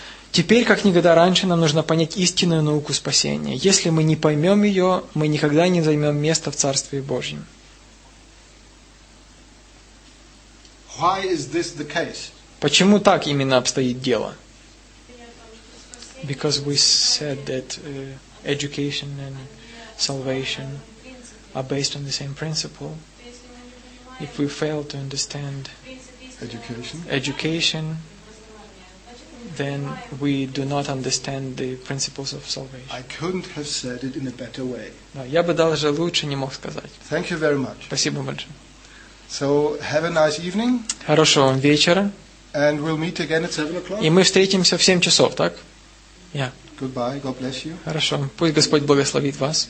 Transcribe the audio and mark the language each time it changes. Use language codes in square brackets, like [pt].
[ru] Теперь, как никогда раньше, нам нужно понять истинную науку спасения. Если мы не поймем ее, мы никогда не займем место в Царстве Божьем. [en] Why is this the case? [ru] Почему так именно обстоит дело? [en] Because we said that education and salvation are based on the same principle. If we fail to understand education, then we do not understand the principles of salvation. I couldn't have said it in a better way. [ru] Да, я бы даже лучше не мог сказать. [en] Thank you very much. [ru] Спасибо большое. [en] So have a nice evening. [ru] Хорошего вам вечера. [en] And we'll meet again at 7:00. [ru] И мы встретимся в 7 часов, так? Yeah. [en] Goodbye. God bless you. [ru] Хорошо. Пусть Господь благословит вас.